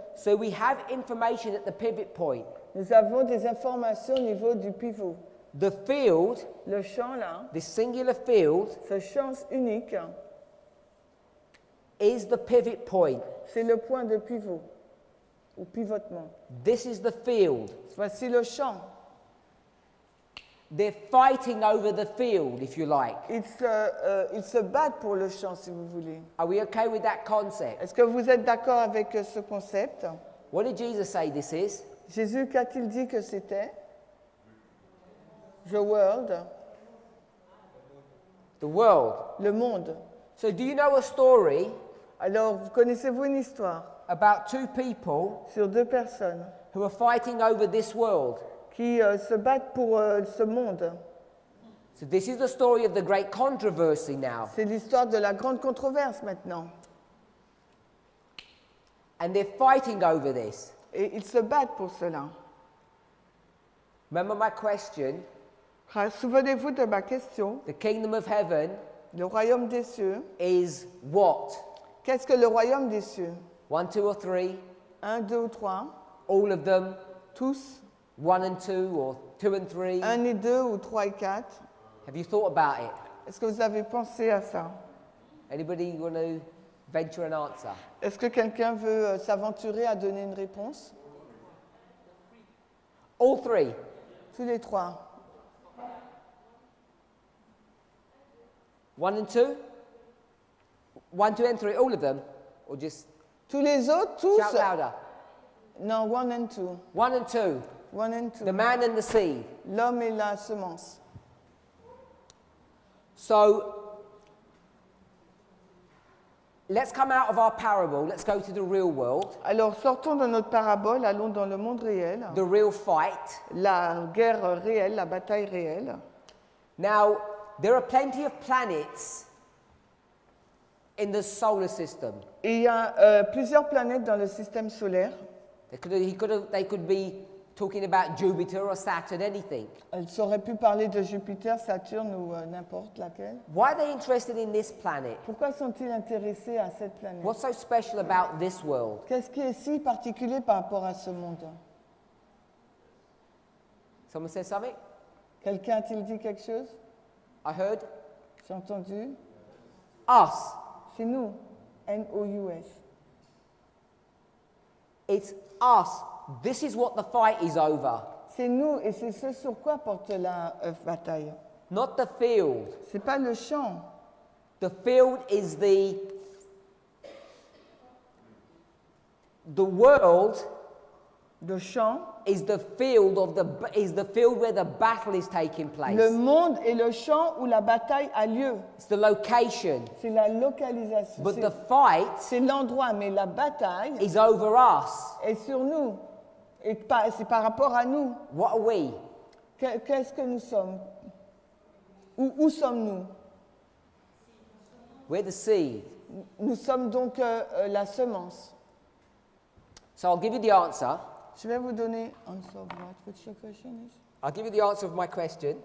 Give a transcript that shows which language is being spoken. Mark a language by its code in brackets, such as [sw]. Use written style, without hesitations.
[en] So we have information at the pivot point. [fr] Nous avons des informations au niveau du pivot. [en] The field. [fr] Le champ là. [en] The singular field. [fr] Ce champ unique. [en] Is the pivot point. [fr] C'est le point de pivot. Ou pivotement. [en] This is the field. [fr] Voici le champ. [en] They're fighting over the field, if you like. [fr] Ils se battent pour le champ, si vous voulez. [en] Are we okay with that concept? [fr] Est-ce que vous êtes d'accord avec ce concept? [en] What did Jesus say this is? [fr] Jésus, qu'a-t-il dit que c'était? [en] The world. The world. [fr] Le monde. [en] So do you know a story? [fr] Alors, connaissez-vous une histoire? [en] About two people, [fr] sur deux personnes, [en] who are fighting over this world, [fr] qui se battent pour ce monde. [en] So this is the story of the great controversy now. [fr] C'est l'histoire de la grande controverse maintenant. [en] And they're fighting over this. [fr] Et ils se battent pour cela. [en] Remember my question. [fr] Souvenez-vous de ma question. [en] The kingdom of heaven, [fr] le royaume des cieux, [en] is what? [fr] Qu'est-ce que le royaume des cieux? [en] 1, 2 or 3. [fr] 1, 2 ou 3. [en] All of them. [fr] Tous. [en] 1 and 2 or 2 and 3. [fr] 1 et 2 ou 3 et 4. [en] Have you thought about it? [fr] Est-ce que vous avez pensé à ça? [en] Anybody want to venture an answer? [fr] Est-ce que quelqu'un veut s'aventurer à donner une réponse? [en] All three. [fr] Tous les trois. [en] 1 and 2? 1, 2 and 3. All of them? Or just... [fr] Tous les autres, tous. [en] Shout louder. Non, one and two. One and two. One and two. The man and the seed. [fr] L'homme et la semence. [en] So, let's come out of our parable. Let's go to the real world. [fr] Alors, sortons de notre parabole, allons dans le monde réel. [en] The real fight. [fr] La guerre réelle, la bataille réelle. [en] Now, there are plenty of planets in the solar system. [fr] Il y a plusieurs planètes dans le système solaire. [en] They could be talking about Jupiter or Saturn, anything. [fr] Elles auraient pu parler de Jupiter, Saturne ou n'importe laquelle. [en] Why are they interested in this planet? [fr] Pourquoi sont-ils intéressés à cette planète? [en] What's so special about this world? [fr] Qu'est-ce qui est si particulier par rapport à ce monde? [en] Someone said something? [fr] Quelqu'un a-t-il dit quelque chose? [en] I heard. [fr] J'ai entendu. [en] Us. [fr] C'est nous, N-O-U-S. [en] It's us. This is what the fight is over. [fr] C'est nous et c'est ce sur quoi porte la bataille. [en] Not the field. [fr] C'est pas le champ. [en] The field is the world. [fr] Le champ. [en] is the field of the is the field where the battle is taking place. [fr] Le monde est le champ où la bataille a lieu. [en] It's the location. [fr] C'est la localisation. [en] But the fight. [fr] C'est l'endroit, mais la bataille. [en] Is over us. [fr] Est sur nous. Et c'est par rapport à nous. [en] What are we? [fr] Qu'est-ce que nous sommes? Où sommes-nous? [en] We're the seed. [fr] Nous sommes donc la semence. [en] So I'll give you the answer. [fr] Je vais vous donner [en] answer what your question is. I'll give you the answer of my question.